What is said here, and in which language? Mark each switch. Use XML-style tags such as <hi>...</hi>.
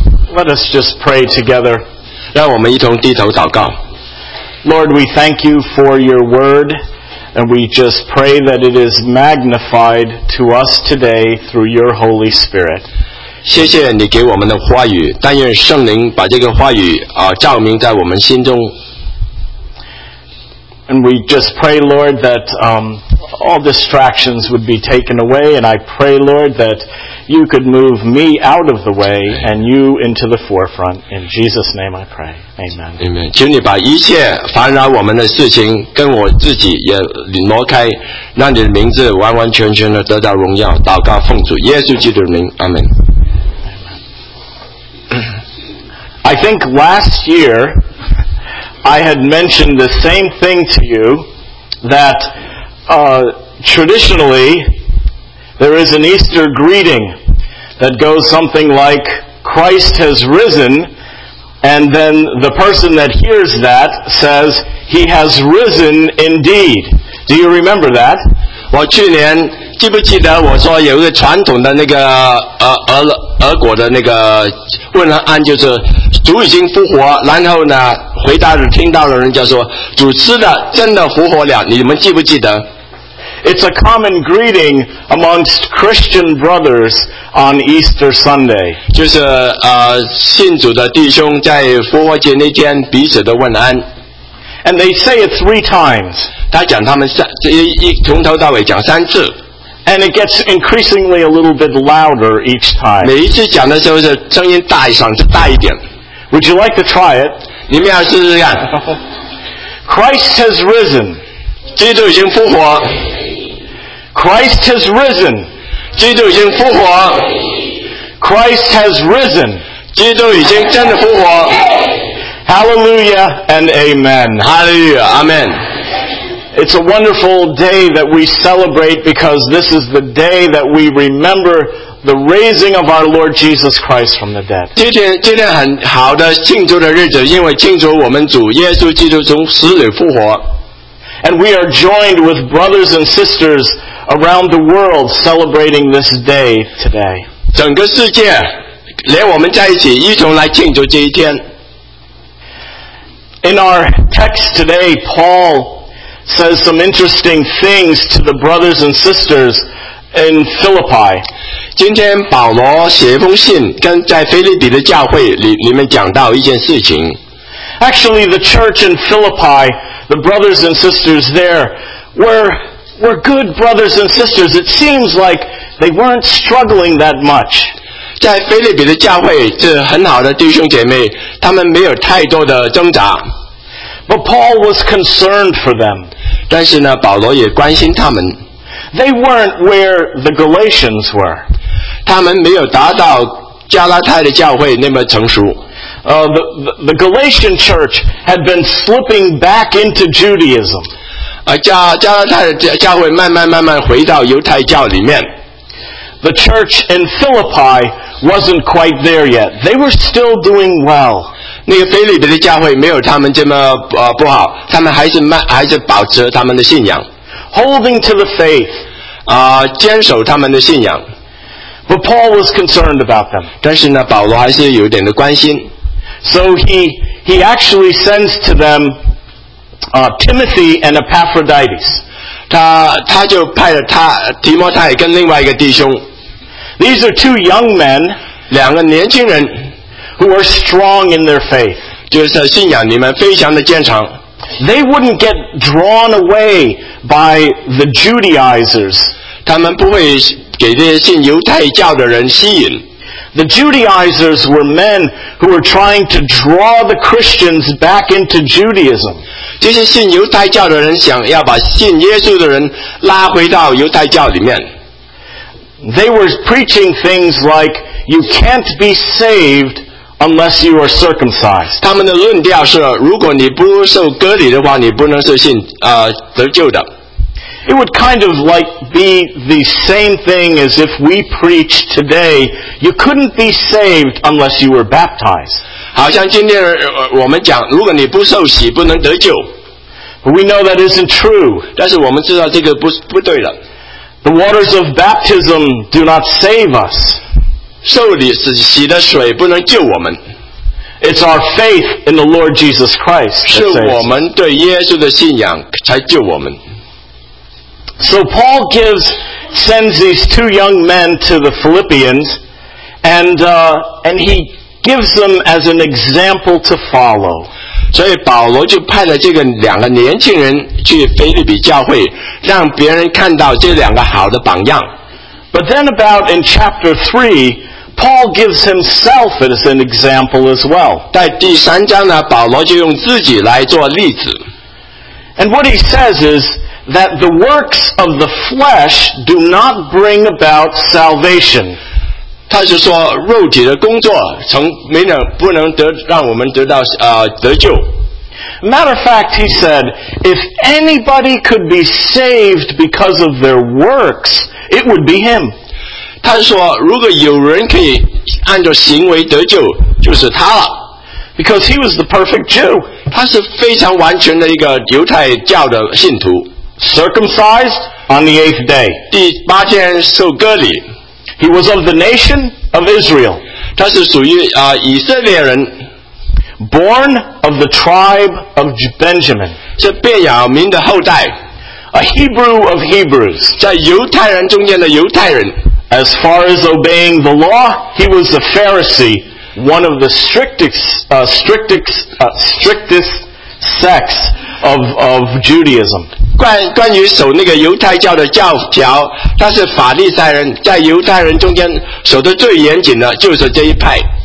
<en>Let us just pray together.</en> <zh>让我们一同低头祷告。</zh> <en>Lord, we thank you for your word, and we just pray that it is magnified to us today through your Holy Spirit.</en> <zh>谢谢你给我们的话语，但愿圣灵把这个话语、照明在我们心中。</zh> <en>And we just pray, Lord, that all distractions would be taken away. And I pray, Lord, that you could move me out of the way and you into the forefront. In Jesus' name I pray. Amen. Amen.</en> <zh>请你把一切烦扰我们的事情跟我自己也挪开，让你的名字完完全全的得到荣耀。祷告奉主耶稣基督的名。</zh> <en>Amen. I think last year, I had mentioned the same thing to you, that traditionally there is an Easter greeting that goes something like, Christ has risen, and then the person that hears that says, He has risen indeed. Do you remember that?</en> <zh>我去年记不记得我说有一个传统的那个俄国的那个问安，就是主已经复活，然后呢回答的听到的人就说主吃的真的复活了，你们记不记得？</zh> <en>It's a common greeting amongst Christian brothers on Easter Sunday.</en> <zh>就是信主的弟兄在复活节那天彼此的问安。</zh> <en>And they say it three times.</en> <zh>他讲他们从头到尾讲三次。</zh> <en>And it gets increasingly a little bit louder each time.</en> <zh>每一次讲的时候是声音大一嗓子大一点。</zh> <en>Would you like to try it?</en> <zh>你们要试试看。</zh> <en>Christ has risen.</en> <zh>基督已经复活。</zh> <en>Christ has risen.</en> <zh>基督已经复活。</zh> <en>Christ has risen.</en> <zh>基督已经真的复活。</zh> <en>Hallelujah and Amen. Hallelujah, Amen. It's a wonderful day that we celebrate because this is the day that we remember the raising of our Lord Jesus Christ from the dead.</en> <zh>今天很好的庆祝的日子，因为庆祝我们主耶稣基督从死里复活。</zh> <en>And we are joined with brothers and sisters around the world celebrating this day today.</en> <zh>整个世界连我们在一起一同来庆祝这一天。</zh> <en>In our text today, Paul says some interesting things to the brothers and sisters in Philippi.</en> <zh>今天保罗写一封信跟在腓立比的教会里面讲到一件事情。</zh> <en>Actually, the church in Philippi, the brothers and sisters there, were good brothers and sisters. It seems like they weren't struggling that much.</en> <zh>在腓立比的教会是很好的弟兄姐妹，他们没有太多的挣扎。</zh> <en>But Paul was concerned for them.</en> <zh>但是呢，保罗也关心他们。</zh> <en>They weren't where the Galatians were.</en> <zh>他们没有达到加拉太的教会那么成熟。</zh> <en>The Galatian church had been slipping back into Judaism.</en> <zh>加拉太的教会慢慢回到犹太教里面。</zh> <en>The church in Philippi wasn't quite there yet. They were still doing well.</en> <zh>那个腓立比的教会没有他们这么不好，他们还是保持他们的信仰。</zh> <en>Holding to the faith.</en> <zh>坚守他们的信仰。</zh> <en>But Paul was concerned about them.</en> <zh>但是呢，保罗还是有点的关心。</zh> <en>So he actually sends to them Timothy and Epaphroditus.</en> <zh>他就派了他提摩太跟另外一个弟兄。</zh> <en>These are two young men,</en> <zh>两个年轻人</zh> <en>who are strong in their faith.</en> <zh>就是信仰里面非常的坚强。</zh> <en>They wouldn't get drawn away by the Judaizers.</en> <zh>他们不会给这些信犹太教的人吸引。</zh> <en>The Judaizers were men who were trying to draw the Christians back into Judaism.</en> <zh>这些信犹太教的人想要把信耶稣的人拉回到犹太教里面。</zh> <en>They were preaching things like, you can't be saved unless you are circumcised.</en> <zh>他们的论调是，如果你不受割礼的话，你不能受信，得救的。</zh> <en>It would kind of like be the same thing as if we preach today, you couldn't be saved unless you were baptized.</en> <zh>好像今天我们讲，如果你不受洗，不能得救。</zh> <en>We know that isn't true.</en> <zh>但是我们知道这个不对的。</zh> <en>The waters of baptism do not save us.</en> <zh>受礼洗的水不能救我们。</zh> <en>It's our faith in the Lord Jesus Christ.</en> <zh>是我们对耶稣的信仰才救我们。</zh> <en>So Paul sends these two young men to the Philippians, and he gives them as an example to follow.</en> <zh>所以保罗就派了这个两个年轻人去腓立比教会，让别人看到这两个好的榜样。</zh> <en>But then about in chapter 3, Paul gives himself as an example as well.</en> <zh>在第三章呢，保罗就用自己来做例子。</zh> <en>And what he says is,that the works of the flesh do not bring about salvation.</en> <zh>他是说肉体的工作得救。</zh> <en>Matter of fact, he said, if anybody could be saved because of their works, it would be him.</en> <zh>他是说如果有人可以按照行为得救就是他了。</zh> <en>Because he was the perfect Jew.</en> <zh>他是非常完全的一个犹太教的信徒。</zh> <en>Circumcised on the eighth day.</en> <zh>第八天受割礼。</zh> <en>He was of the nation of Israel.</en> <zh>他是属于以色列人。</zh> <en>Born of the tribe of Benjamin.</en> <zh>是便雅悯的后代。</zh> <en>A Hebrew of Hebrews.</en> <zh>在犹太人中间的犹太人。</zh> <en>As far as obeying the law, he was a Pharisee, one of the strictest sects of Judaism.</en> <zh>关于守那个犹太教的教条，他是法利赛人，在犹太人中间守得最严谨的，就是这一派。</zh>